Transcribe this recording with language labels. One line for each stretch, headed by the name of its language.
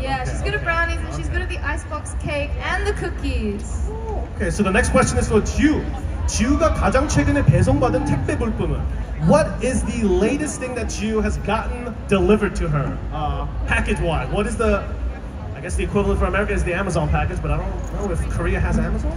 English: Yeah, okay, she's good at brownies and she's good at the icebox cake and the cookies. Okay, so the next question is for Jiu.
Korean: Jiu가 가장 최근에 배송받은 택배 물품은?
English: What is the latest thing that Jiu has gotten delivered to her? Package-wise, what is the... I guess the equivalent for America is the Amazon package, but I don't know if Korea has Amazon.